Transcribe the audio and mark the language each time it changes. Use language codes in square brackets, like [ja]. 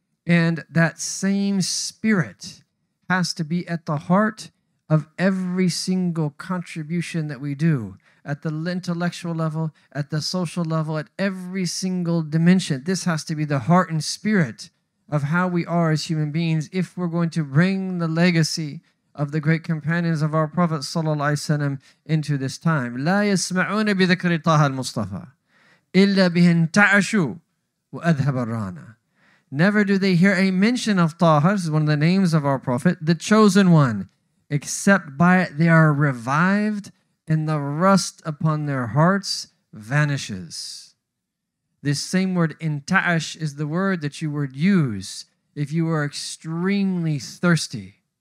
[en] And that same spirit has to be at the heart of every single contribution that we do at the intellectual level, at the social level, at every single dimension. This has to be the heart and spirit of how we are as human beings if we're going to bring the legacy of the great companions of our Prophet sallallahu alaihi wasallam into this time. [ar] لا يسمعون بذكر طه المصطفى إلا به انتعشوا وأذهب الرانا. [en] Never do they hear a mention of Taha, this is one of the names of our Prophet, the chosen one, except by it they are revived and the rust upon their hearts vanishes. This same word, intaash, is the word that you would use if you were extremely thirsty.